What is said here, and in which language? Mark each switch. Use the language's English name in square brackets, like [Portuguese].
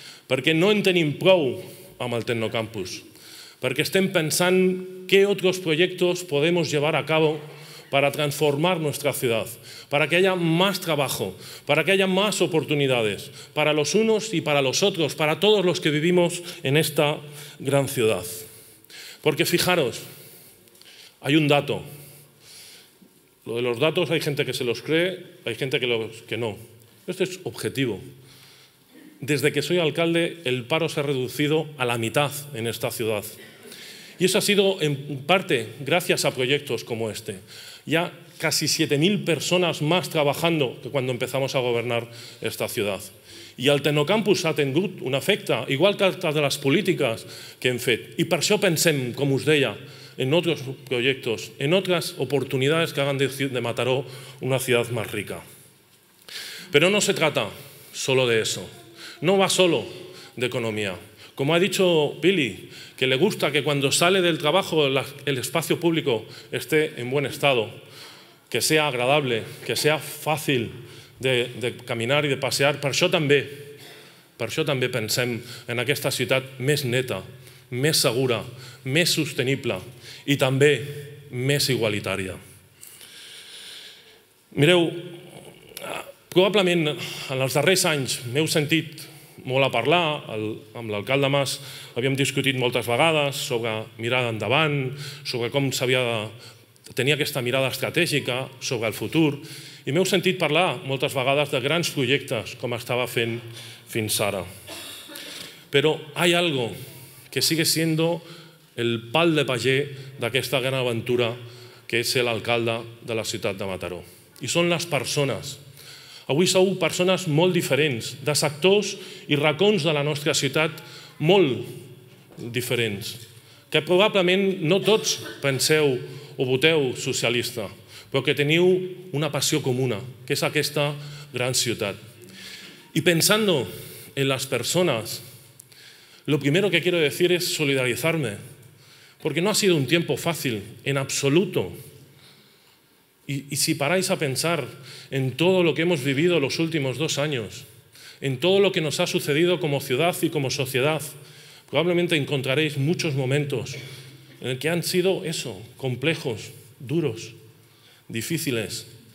[Catalan] Perquè no en tenim prou amb el Tecnocampus, perquè estem pensant què altres projectes podem llevar a cabo per transformar la nostra ciutat, perquè hi hagi més treball, perquè hi hagi més oportunitats per als uns i per als altres, per a tots els que vivim en aquesta gran ciutat. [Spanish] Porque fijaros, hay un dato. Lo de los datos hay gente que se los cree, hay gente que no. Esto es objetivo. Desde que soy alcalde, el paro se ha reducido a la mitad en esta ciudad. Y eso ha sido en parte gracias a proyectos como este. Ya casi 7.000 personas más trabajando que cuando empezamos a gobernar esta ciudad. [Catalan] I el Tecnocampus ha tingut un efecte, igual que altres de les polítiques que hem fet. I per això pensem, com us deia, en altres projectes, en altres oportunitats que hagan de Mataró una ciutat més rica. Però [Spanish] no se trata solo de eso. [Catalan] No va solo de economia. [Spanish] Como ha dicho Pili, que le gusta que cuando sale del trabajo el espacio público esté en buen estado, que sea agradable, que sea fácil de caminar [Catalan] i de passear. Per això també pensem en aquesta ciutat més neta, més segura, més sostenible i també més igualitària. Mireu, probablement en els darrers anys m'heu sentit molt a parlar, amb l'alcalde Mas havíem discutit moltes vegades sobre mirada endavant, sobre com s'havia de tenir aquesta mirada estratègica sobre el futur, i m'heu sentit parlar moltes vegades de grans projectes, com estava fent fins ara. Però hi ha [Spanish] algo que sigue siendo [Catalan] el pal de paller d'aquesta gran aventura que és ser l'alcalde de la ciutat de Mataró. I són les persones. Avui sou persones molt diferents, de sectors i racons de la nostra ciutat molt diferents, que probablement no tots penseu o voteu socialista, però que teniu una passió comuna, que és aquesta gran ciutat. I pensant en les persones, [Spanish] lo primero que quiero decir es solidarizarme, porque no ha sido un tiempo fácil, en absoluto. Y si paráis a pensar en todo lo que hemos vivido los últimos 2 años, en todo lo que nos ha sucedido como ciudad y como sociedad, probablemente encontraréis muchos momentos en el que han sido eso, complejos, duros, difíciles.